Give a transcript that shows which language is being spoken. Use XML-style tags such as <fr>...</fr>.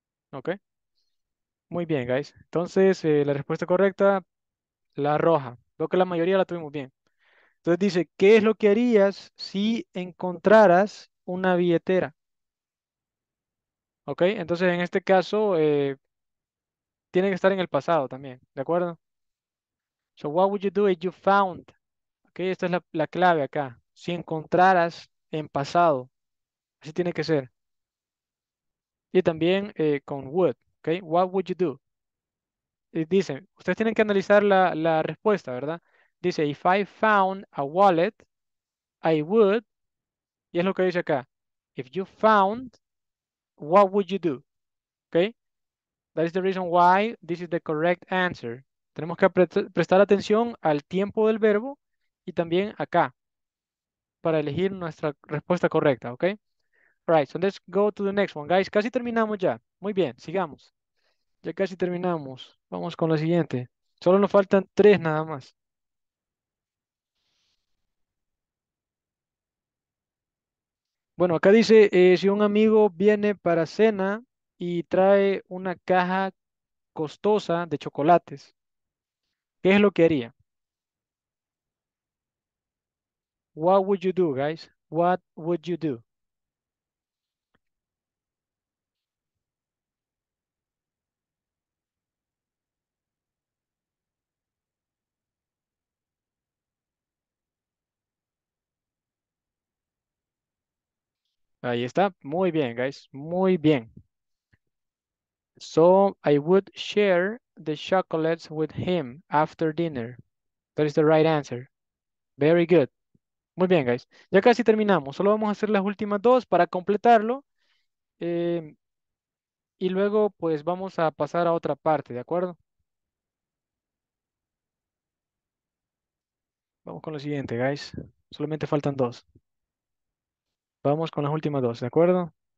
<es>Ok. Muy bien, guys. Entonces, la respuesta correcta, la roja. Veo que la mayoría la tuvimos bien. Entonces dice, ¿qué es lo que harías si encontraras una billetera? Ok, entonces en este caso, tiene que estar en el pasado también, ¿de acuerdo?</es> <en>So, what would you do if you found?</en> <es>Ok, esta es la clave acá. Si encontraras en pasado, así tiene que ser. Y también con would. Okay.</es> <en>What would you do?</en> <es>Dice, ustedes tienen que analizar la respuesta, ¿verdad? Dice,</es> <en>if I found a wallet, I would.</en> <es>Y es lo que dice acá.</es> <en>If you found, what would you do? Okay. That is the reason why this is the correct answer.</en> <es>Tenemos que prestar atención al tiempo del verbo y también acá para elegir nuestra respuesta correcta, ¿ok?</es> <en>All right, so let's go to the next one, guys.</en> <es>Casi terminamos ya. Muy bien, sigamos. Ya casi terminamos. Vamos con la siguiente. Solo nos faltan tres nada más. Bueno, acá dice, si un amigo viene para cena y trae una caja costosa de chocolates, ¿qué es lo que haría?</es> <en>What would you do, guys? What would you do?</en> <es>Ahí está. Muy bien, guys. Muy bien.</es> <en>So, I would share the chocolates with him after dinner. That is the right answer. Very good.</en> <es>Muy bien, guys. Ya casi terminamos. Solo vamos a hacer las últimas dos para completarlo. Y luego, pues, vamos a pasar a otra parte, ¿de acuerdo? Vamos con lo siguiente, guys. Solamente faltan dos. Vamos con las últimas dos, ¿de acuerdo?</es>